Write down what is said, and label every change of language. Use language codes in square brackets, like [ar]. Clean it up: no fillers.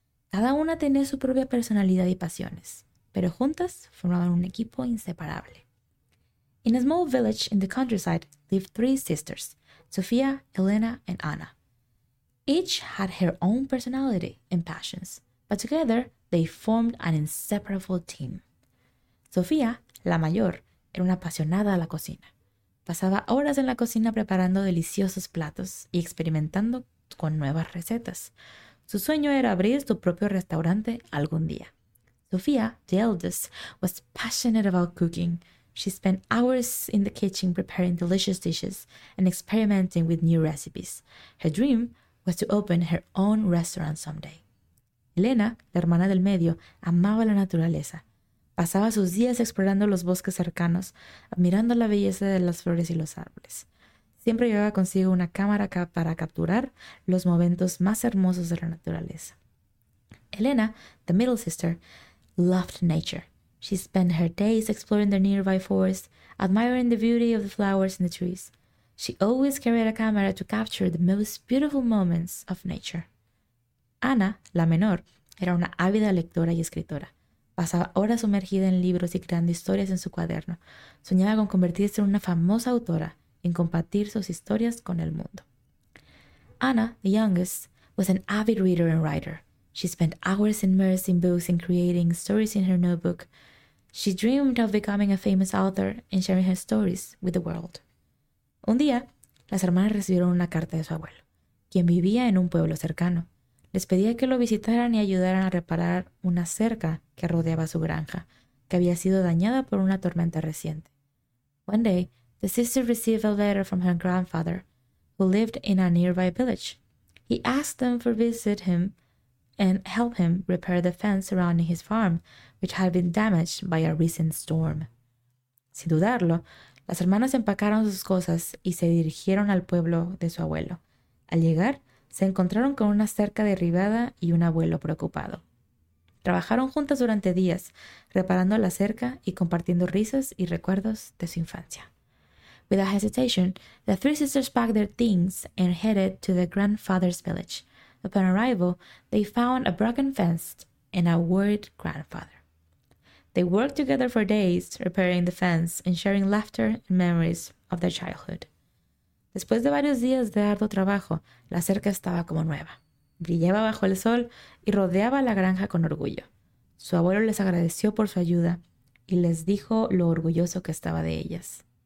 [es] Cada una tenía su propia personalidad y pasiones. Pero juntas formaban un equipo inseparable. [en] In a small village in the countryside lived three sisters, Sofía, Elena, and Ana. Each had her own personality and passions, but together they formed an inseparable team. [es] Sofía, la mayor, era una apasionada a la cocina. Pasaba horas en la cocina preparando deliciosos platos y experimentando con nuevas recetas. Su sueño era abrir su propio restaurante algún día. [en] Sofía, the eldest, was passionate about cooking. She spent hours in the kitchen preparing delicious dishes and experimenting with new recipes. Her dream was to open her own restaurant someday. [es] Elena, la hermana del medio, amaba la naturaleza. Pasaba sus días explorando los bosques cercanos, admirando la belleza de las flores y los árboles. Siempre llevaba consigo una cámara para capturar los momentos más hermosos de la naturaleza. [en] Elena, the middle sister, loved nature. She spent her days exploring the nearby forest, admiring the beauty of the flowers and the trees. She always carried a camera to capture the most beautiful moments of nature. [es] Ana, la menor, era una ávida lectora y escritora. Pasaba horas sumergida en libros y creando historias en su cuaderno. Soñaba con convertirse en una famosa autora y en compartir sus historias con el mundo. [en] Ana, the youngest, was an avid reader and writer. She spent hours immersed in books and creating stories in her notebook. She dreamed of becoming a famous author and sharing her stories with the world. [es] Un día, las hermanas recibieron una carta de su abuelo, quien vivía en un pueblo cercano. Les pedía que lo visitaran y ayudaran a reparar una cerca que rodeaba su granja, que había sido dañada por una tormenta reciente. [en] One day, the sister received a letter from her grandfather, who lived in a nearby village. He asked them to visit him and help him repair the fence surrounding his farm, which had been damaged by a recent storm. [es] Sin dudarlo, las hermanas empacaron sus cosas y se dirigieron al pueblo de su abuelo. Al llegar, se encontraron con una cerca derribada y un abuelo preocupado. Trabajaron juntas durante días, reparando la cerca y compartiendo risas y recuerdos de su infancia. [en] Without hesitation, the three sisters packed their things and headed to the grandfather's village. Upon arrival, they found a broken fence and a worried grandfather. They worked together for days, repairing the fence and sharing laughter and memories of their childhood. [es] Después de varios días de arduo trabajo, la cerca estaba como nueva. Brillaba bajo el sol y rodeaba la granja con orgullo. Su abuelo les agradeció por su ayuda y les dijo lo orgulloso que estaba de ellas.